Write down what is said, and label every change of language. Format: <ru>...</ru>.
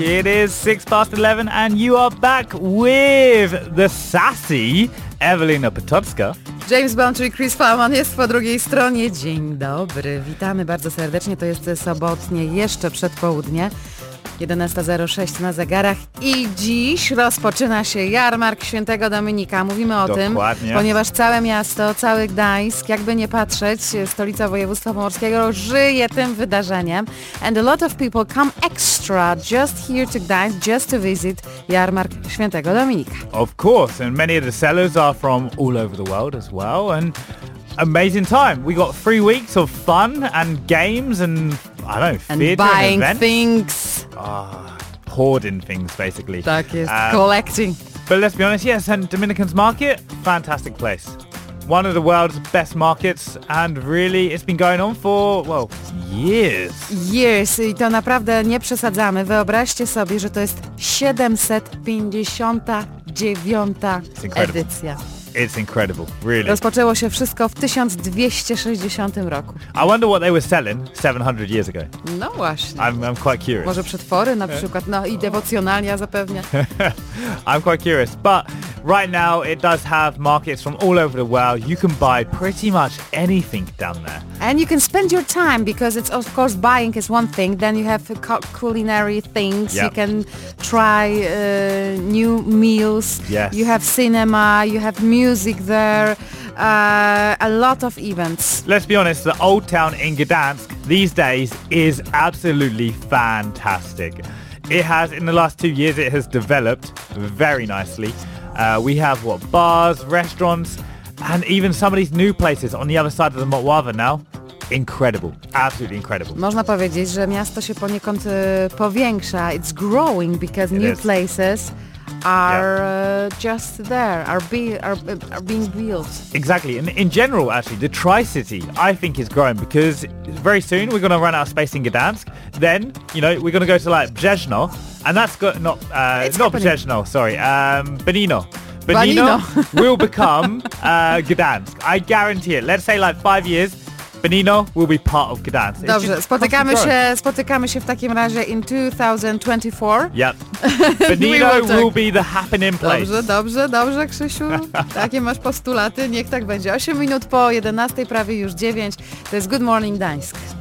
<en>It is 11:06 and you are back with the sassy Ewelina Potocka.</en> <pl>James Bond, czyli Chris Fowman, jest po drugiej stronie. Dzień dobry. Witamy bardzo serdecznie. To jest sobotnie, jeszcze przedpołudnie. 11:06 na zegarach i dziś rozpoczyna się jarmark świętego Dominika. Mówimy o Dokładnie. Tym, ponieważ całe miasto, cały Gdańsk, jakby nie patrzeć, stolica województwa pomorskiego, żyje tym wydarzeniem.</pl> <en>And a lot of people come extra just here to Gdańsk, just to visit jarmark świętego Dominika. Of course, and many of the sellers are from all over the world as well. And amazing time. We got 3 weeks of fun and games and I don't know, and buying and things. Hoarding things, basically.</en> <pl>Tak jest, collecting.</pl> <en>But let's be honest, yes, and Dominican's market, fantastic place. One of the world's best markets and really it's been going on for, well, years.</en> <pl>Years, i to naprawdę nie przesadzamy. Wyobraźcie sobie, że to jest 759. edycja.</pl> <en>It's incredible, really.</en> <pl>Rozpoczęło się wszystko w 1260 roku.</pl> <en>I wonder what they were selling 700 years ago.</en> <pl>No właśnie.</pl> <en>I'm quite curious.</en> <pl>Może przetwory na przykład, no i dewocjonalia zapewne.</pl> <en>I'm quite curious, but right now it does have markets from all over the world. You can buy pretty much anything down there. And you can spend your time because it's of course buying is one thing. Then you have culinary things. Yep. You can try new meals. Yes. You have cinema. You have music there. A lot of events. Let's be honest, the old town in Gdansk these days is absolutely fantastic. It has, in the last 2 years, it has developed very nicely. We have, what, bars, restaurants, and even some of these new places on the other side of the Motława now. Incredible. Absolutely incredible.</en> <pl>Można powiedzieć, że miasto się poniekąd powiększa.</pl> <en>It's growing because it new is. Places are yep. Just there, are being built. Exactly. And in general, actually, the Tri-City, I think, is growing because very soon we're going to run out of space in Gdansk. Then, you know, we're going to go to, like, Brzezno. And that's got not Brzezno, sorry, Benino. Benino will become Gdansk. I guarantee it. Let's say like 5 years, Benino will be part of Gdansk.</en> <pl>Dobrze, spotykamy się w takim razie</pl> <en>in 2024. Yep. Benino will be the happening place.</en> <pl>Dobrze, dobrze, dobrze, Krzysiu. Takie masz postulaty, niech tak będzie. 8 minut po 11, prawie już 9. To jest Good Morning Gdańsk.</pl>